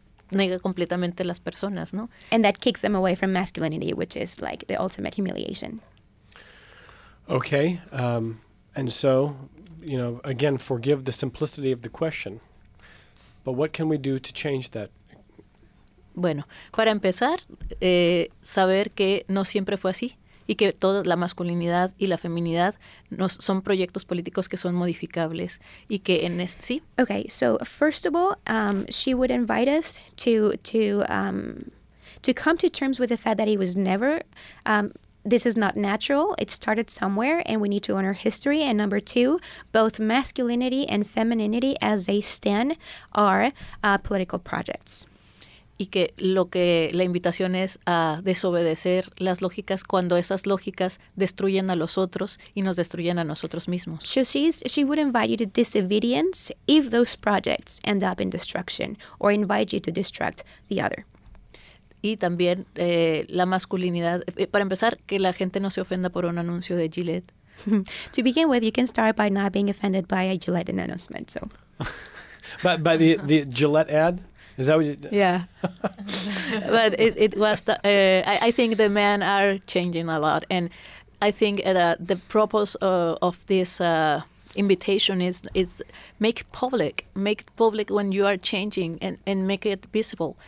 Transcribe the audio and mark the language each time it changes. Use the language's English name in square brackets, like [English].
[Spanish] niega completamente las personas, ¿no? [English] And that kicks them away from masculinity, which is like the ultimate humiliation. Okay. And so, you know, again, forgive the simplicity of the question. But what can we do to change that? [Spanish] Bueno, para empezar, saber que no siempre fue así y que toda la masculinidad y la feminidad no son proyectos políticos que son modificables y que en este, sí. [English] Okay, so first of all, she would invite us to come to terms with the fact that he was never, this is not natural, it started somewhere and we need to learn our history. And number two, both masculinity and femininity as they stand are political projects. [Spanish] Y que lo que la invitación es a desobedecer las lógicas cuando esas lógicas destruyen a los otros y nos destruyen a nosotros mismos. [English] So she would invite you to disobedience if those projects end up in destruction or invite you to destruct the other. [Spanish] Y también la masculinidad, para empezar, que la gente no se ofenda por un anuncio de Gillette. [English] To begin with, you can start by not being offended by a Gillette announcement. So. by the Gillette ad? Is that what you did? Yeah. But it was, I think the men are changing a lot. And I think the purpose of this invitation is make public when you are changing and make it visible.